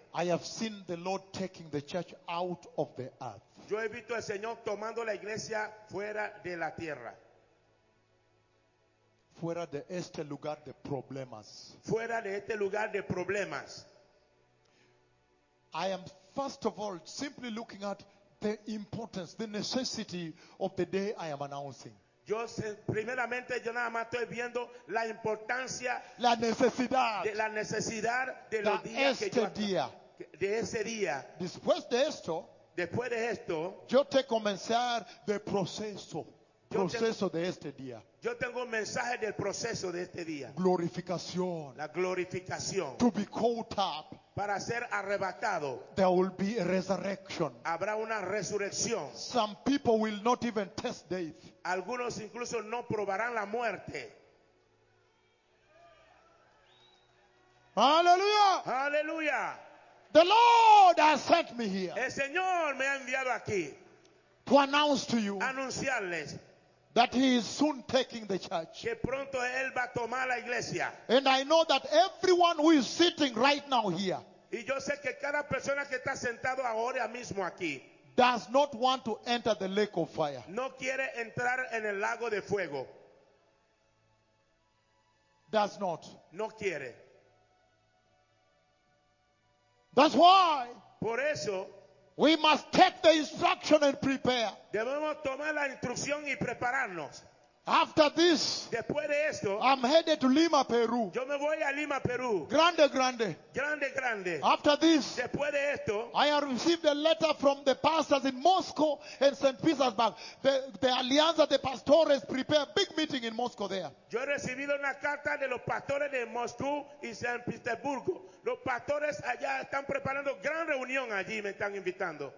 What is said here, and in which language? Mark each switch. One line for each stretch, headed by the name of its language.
English: I have seen the Lord taking the church out of the earth.
Spanish: Yo he visto al Señor tomando la iglesia fuera de la tierra. Fuera de este lugar de problemas. Fuera de este lugar de problemas.
English: I am first of all simply looking at the importance, the necessity of the day I am announcing.
Spanish: Yo primeramente yo nada más estoy viendo la importancia, la necesidad de los días este que yo, día, de ese día. Después de esto, yo te comenzar de proceso de este día. Yo tengo un mensaje del proceso de este día. Glorificación. La glorificación.
English: To be caught up.
Spanish: Para ser arrebatado.
English: There will be a resurrection.
Spanish: Habrá una resurrección.
English: Some people will not even test death.
Spanish: Algunos incluso no probarán la muerte. Aleluya. Aleluya.
English: The Lord has sent me here.
Spanish: El Señor me ha enviado aquí.
English: To announce to you.
Spanish: Anunciarles.
English: That he is soon taking the church.
Spanish: Que pronto él va a tomar la iglesia.
English: And I know that everyone who is sitting right now here.
Spanish: Y yo sé que cada persona que está sentado ahora mismo aquí.
English: Does not want to enter the lake of fire.
Spanish: No quiere entrar en el lago de fuego.
English: does not.
Spanish: No quiere.
English: That's why.
Spanish: Por eso.
English: We must take the instruction and prepare.
Spanish: Debemos tomar la instrucción y prepararnos.
English: After this,
Spanish: después de esto,
English: I'm headed to Lima, Peru.
Spanish: Yo me voy a Lima, Peru. Grande.
English: After this,
Spanish: después de esto,
English: I have received a letter from the pastors in Moscow and St. Petersburg. The
Spanish: Alianza de Pastores
English: prepare a big meeting in Moscow there.
Spanish: Yo he recibido una carta de los pastores de Moscú y San Petersburgo. Los pastores allá están preparando gran reunión allí, me están invitando.